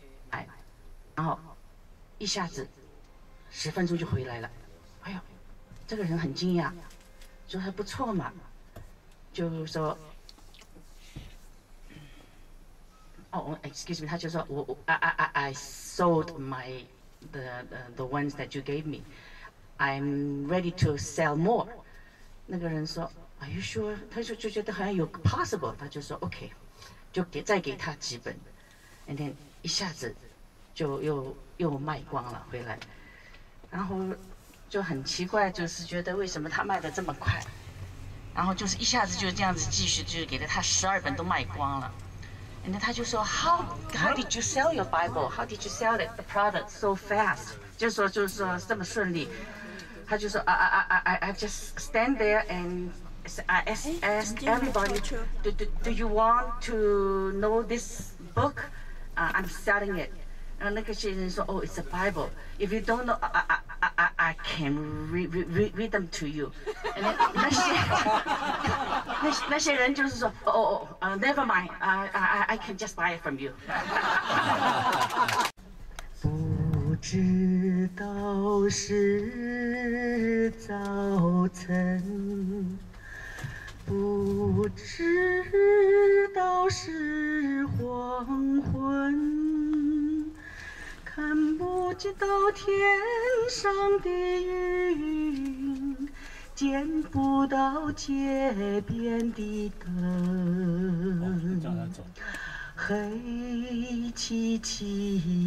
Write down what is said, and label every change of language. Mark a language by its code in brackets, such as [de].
[zh] 哎，然后一下子十分钟就回来了。哎呦，这个人很惊讶，说还不错嘛，就说。 [en] Excuse me, [zh] 他就说 [en] I sold my the ones that you gave me. I'm ready to sell more. [zh] 那个人说 [en] Are you sure? [zh] 他说就觉得好像有 [en] possible. [zh] 他就说 OK, 就再给他几本 ， [en] and then [zh] 一下子就又卖光了回来。然后就很奇怪，就是觉得为什么他卖得这么快？然后就是一下子就这样子继续，就是给了他12本都卖光了。 [en] And then [zh] 他就说 [en] How did you sell your Bible? How did you sell it, the product so fast? [zh] 就是说这么顺利。他就说 [en] I just stand there and I ask everybody, do you want to know this book? I'm selling it. [zh] 然后那个先生说 [en] Oh, it's a Bible. If you don't know, I can read them to you. And then [zh] 那些人就是说 [en] never mind, I can just buy it from you. [zh] 不知道是早晨，不知道是黄昏，看不到天上的云，见不到街边的灯，黑漆漆，